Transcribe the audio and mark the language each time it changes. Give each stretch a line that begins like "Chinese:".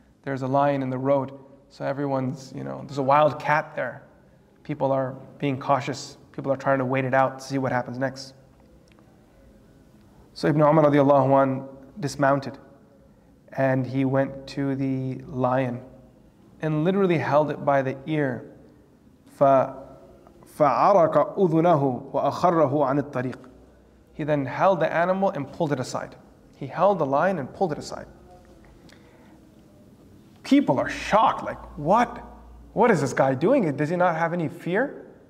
English: There's a lion in the road. So everyone's, you know, there's a wild cat there. People are being cautious. People are trying to wait it out to see what happens next. So Ibn Umar radiallahu anhu dismounted and he went to the lion and literally held it by the ear.
Arabic: فَعَرَقَ أُذُنَهُ وَأَخَرَّهُ عَنِ الطَّرِيقِ.
English: He then held the animal and pulled it aside. He held the lion and pulled it aside. People are shocked, like, what? What is this guy doing? Does he not have any fear?